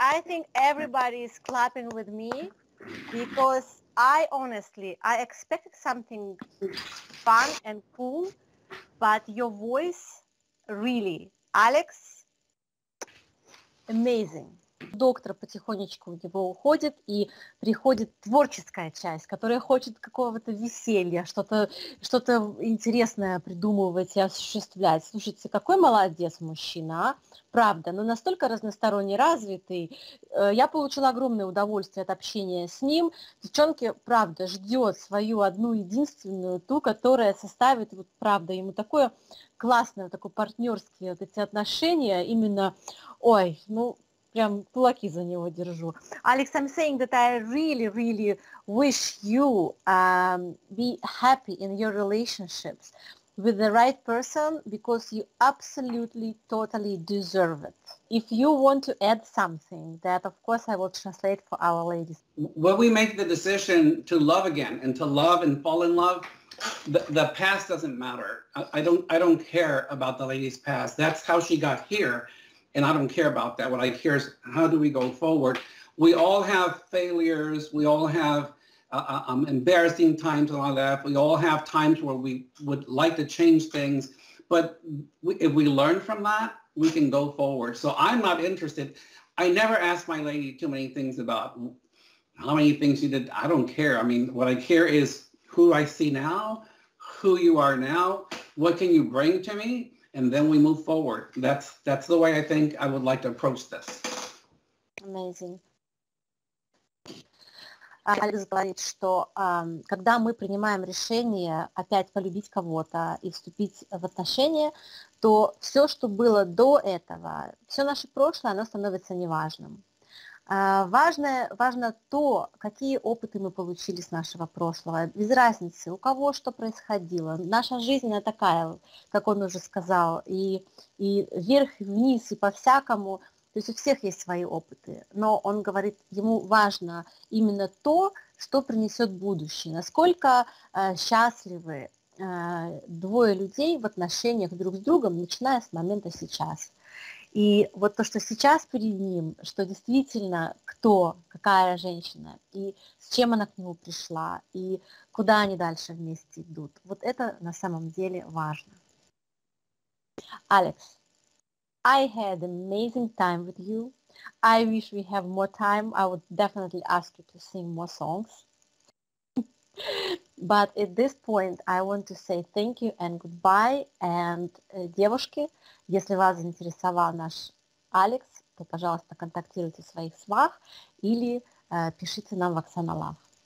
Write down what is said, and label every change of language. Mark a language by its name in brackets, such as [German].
[English] I think everybody is clapping with me because I expected something fun and cool, but your voice really, Alex, amazing. [Russian] Доктор потихонечку у него уходит, и приходит творческая часть, которая хочет какого-то веселья, что-то интересное придумывать и осуществлять. Слушайте, какой молодец мужчина, а? Правда, но настолько разносторонне развитый. Я получила огромное удовольствие от общения с ним. Девчонки, правда, ждет свою одну единственную, ту, которая составит, вот правда, ему такое классное, такое партнерские вот эти отношения, именно, ой, ну... Прям кулаки за него держу. [English] Alex, I'm saying that I really, really wish you be happy in your relationships with the right person because you absolutely, totally deserve it. If you want to add something, that of course I will translate for our ladies. When we make the decision to love again and to love and fall in love, the past doesn't matter. I don't care about the lady's past. That's how she got here. And I don't care about that. What I care is how do we go forward? We all have failures. We all have embarrassing times in our life. We all have times where we would like to change things. But if we learn from that, we can go forward. So I'm not interested. I never ask my lady too many things about how many things she did. I don't care. I mean, what I care is who I see now, who you are now, what can you bring to me? And then we move forward. That's the way I think I would like to approach this. Amazing. [Russian] Алекс говорит, что когда мы принимаем решение опять полюбить кого-то и вступить в отношения, то все, что было до этого, все наше прошлое, оно становится неважным. Важно то, какие опыты мы получили с нашего прошлого, без разницы, у кого что происходило. Наша жизнь, она такая, как он уже сказал, и вверх, и вниз, и по-всякому, то есть у всех есть свои опыты. Но он говорит, ему важно именно то, что принесет будущее, насколько счастливы двое людей в отношениях друг с другом, начиная с момента сейчас. И вот то, что сейчас перед ним, что действительно кто, какая женщина, и с чем она к нему пришла, и куда они дальше вместе идут, вот это на самом деле важно. [English] Алекс, I had an amazing time with you. I wish we have more time. I would definitely ask you to sing more songs. But at this point, I want to say thank you and goodbye. [Russian] And, девушки, если вас заинтересовал наш Алекс, то, пожалуйста, контактируйте своих свах или пишите нам в Оксана Лав.